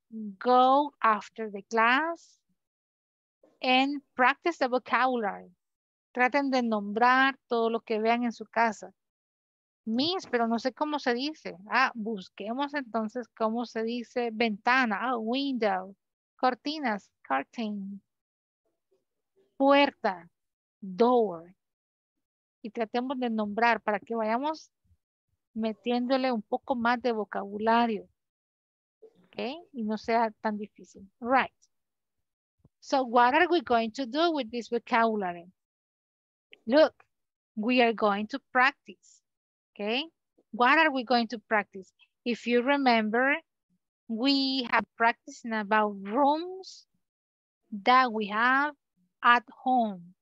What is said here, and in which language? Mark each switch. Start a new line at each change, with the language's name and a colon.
English: Go after the class and practice the vocabulary.
Spanish: Traten de nombrar todo lo que vean en su casa. Miss, pero no sé cómo se dice. Ah, busquemos entonces cómo se dice ventana, window, cortinas, curtain, puerta, door. Y tratemos de nombrar para que vayamos metiéndole un poco más de vocabulario. ¿Ok? Y no sea tan difícil. Right.
English: So what are we going to do with this vocabulary? Look, we are going to practice. Okay, what are we going to practice? If you remember, we have practicing about rooms that we have at home.